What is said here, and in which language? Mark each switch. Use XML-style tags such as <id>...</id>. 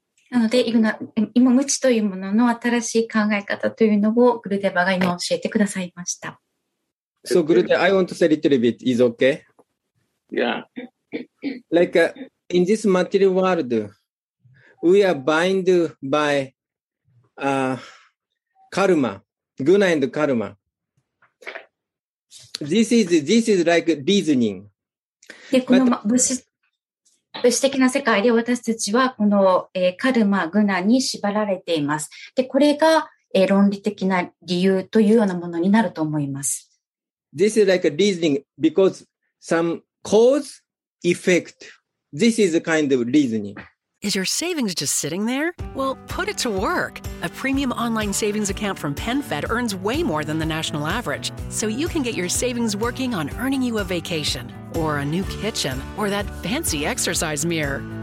<ja>なので、今、無知というものの新しい考え方というのをグルデバが今教えてくださいました。</ja> <en>So, Gurude, I want to say a little bit. Is okay? Yeah. Like, in this material world, we are bound by karma, guna and karma. This is like reasoning.</en> <ja>で、この物質的な世界で私たちはこの、カルマ、グナに縛られています。で、これが、論理的な理由というようなものになると思います。</ja> <en>This is like a reasoning because some cause, effect. This is a kind of reasoning. Is your savings just sitting there? Well, put it to work. A premium online savings account from PenFed earns way more than the national average. So you can get your savings working on earning you a vacation, or a new kitchen, or that fancy exercise mirror.</en>